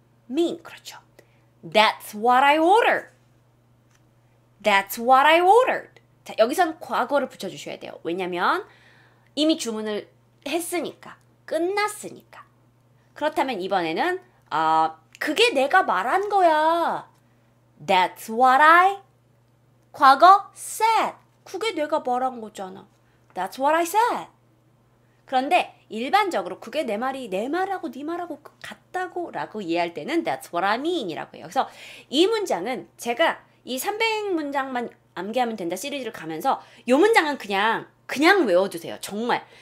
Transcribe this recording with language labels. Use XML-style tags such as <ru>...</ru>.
<en>mean,</en> <ko>그렇죠.</ko> <en>That's what I ordered. That's what I ordered.</en> <ko>자, 여기선 과거를 붙여주셔야 돼요. 왜냐면 이미 주문을 했으니까. 끝났으니까. 그렇다면 이번에는 그게 내가 말한 거야.</ko> <en>That's what I 과거 said.</en> <ko>그게 내가 말한 거잖아.</ko> <en>That's what I said.</en> <ko>그런데 일반적으로 그게 내 말이 내 말하고 네 말하고 같다고 라고 이해할 때는</ko> <en>That's what I mean</en> <ko>이라고 해요. 그래서 이 문장은 제가 이 300문장만 암기하면 된다 시리즈를 가면서 이 문장은 그냥 외워두세요. 정말.</ko>